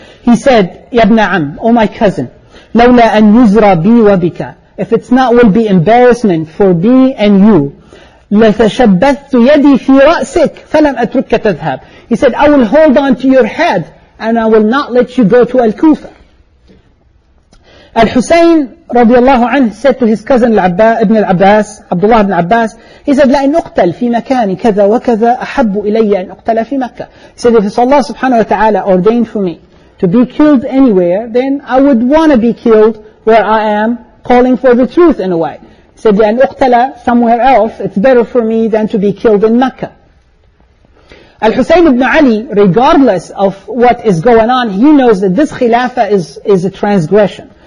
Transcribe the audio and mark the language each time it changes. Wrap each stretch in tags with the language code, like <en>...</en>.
<en>He said, Ya ibn Am, O my cousin,</en> <ar>lawla an yuzra bi wa bika,</ar> <en>if it's not will be embarrassment for me and you,</en> <ar>لَتَشَبَّثْتُ يَدِي فِي رَأْسِكْ فَلَمْ أَتْرُكَ تَذْهَبْ.</ar> <en>He said, I will hold on to your head and I will not let you go to Al-Kufa.</en> <ar>Al-Husayn رضي الله عنه</ar> <en>said to his cousin</en> <ar>ابن العباس, Abdullah ibn Abbas,</ar> <en>he said,</en> <ar>لَإِنْ أُقْتَلْ فِي مَكَانِ كَذَا وَكَذَا أَحَبُّ إِلَيَّ أَنْ أُقْتَلَ فِي مَكَّةِ.</ar> <en>He said, if Allah subhanahu wa ta'ala ordained for me to be killed anywhere, then I would want to be killed where I am calling for the truth in a way. Said,</en> <ar>أن أقتل</ar> <en>somewhere else, it's better for me than to be killed in Mecca. Al-Husayn ibn Ali, regardless of what is going on, he knows that this khilafah is a transgression.</en>